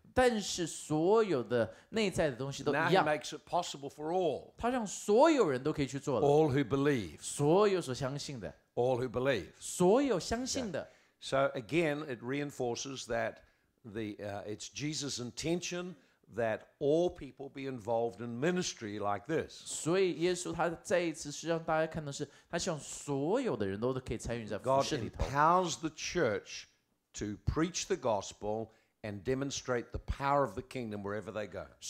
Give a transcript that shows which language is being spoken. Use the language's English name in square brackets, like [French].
[Chinese] 但是所有的内在的东西都一样。 [English] Now he makes it possible for all. [Chinese] 他让所有人都可以去做了。 [English] All who believe. [Chinese] 所有所相信的。 [English] All who believe. [Chinese] 所有相信的。 [English] So again, it reinforces that the it's Jesus' intention that all people be involved in ministry like this. [Chinese] 所以耶稣他再一次是让大家看到是，他希望所有的人都可以参与在服事里头。 [English] God empowers the church to preach the gospel and demonstrate the power of the kingdom wherever they go.